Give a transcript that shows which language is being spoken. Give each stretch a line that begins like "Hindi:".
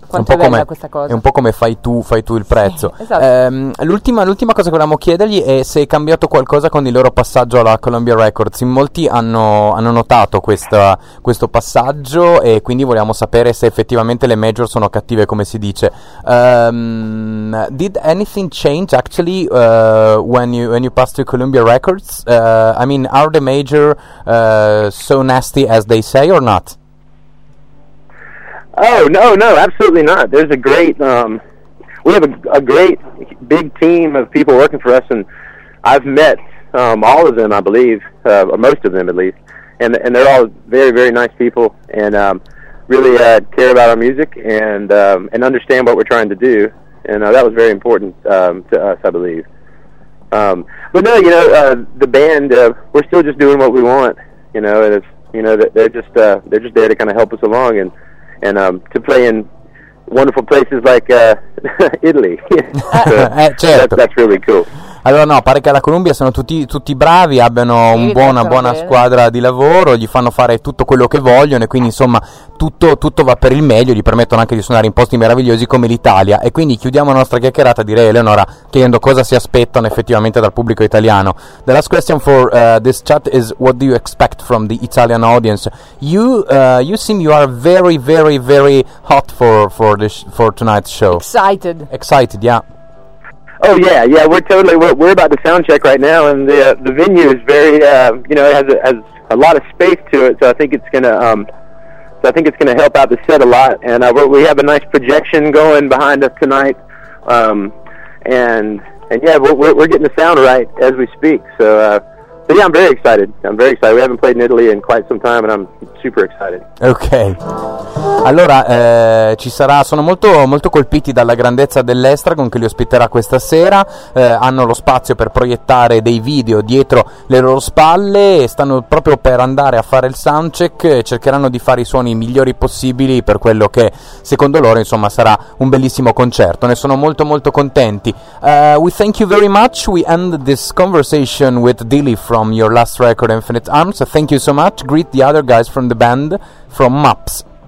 Italian: Quanto è bella questa cosa. È un po' come fai tu il prezzo. Sì, esatto. L'ultima cosa che volevamo chiedergli è se è cambiato qualcosa con il loro passaggio alla Columbia Records. In molti hanno notato questo passaggio e quindi vogliamo sapere se effettivamente le major sono cattive, come si dice.
English: Did anything change actually when you passed to Columbia Records? I mean, are the major so nasty as they say or not? Oh no, absolutely not. There's a great we have a great big team of people working for us, and I've met all of them, I believe, or most of them at least. And they're all very, very nice people, and really care about our music and understand what we're trying to do, and that was very important to us, I believe. But no, you know, the band, we're still just doing what we want, you know, and it's, you know, they're just there to kind of help us along and to play in wonderful places like Italy.
Italian: certo.
English: That's really cool.
Italian: Allora no, pare che alla Columbia siano tutti bravi, abbiano una buona squadra di lavoro, gli fanno fare tutto quello che vogliono e quindi insomma tutto va per il meglio, gli permettono anche di suonare in posti meravigliosi come l'Italia. E quindi chiudiamo la nostra chiacchierata, direi, Eleonora, chiedendo cosa si aspettano effettivamente dal pubblico italiano.
English: The last question for this chat is, what do you expect from the Italian audience? You seem you are very, very, very hot for tonight's show. Excited, yeah. Oh yeah, we're about to sound check right now, and the venue is very you know, it has a lot of space to it, so I think it's gonna help out the set a lot, and we have a nice projection going behind us tonight, and yeah, we're getting the sound right as we speak, so yeah, I'm very excited. We haven't played in Italy in quite some time, and I'm super excited.
Italian: Okay. Allora, ci sarà. Sono molto, molto colpiti dalla grandezza dell'estra con che li ospiterà questa sera. Hanno lo spazio per proiettare dei video dietro le loro spalle e stanno proprio per andare a fare il soundcheck. Cercheranno di fare i suoni migliori possibili per quello che secondo loro, insomma, sarà un bellissimo concerto. Ne sono molto, molto contenti.
English: We thank you very much. We end this conversation with Dilly from your last record, Infinite Arms. Thank you so much. Greet the other guys from the band, from MAPS.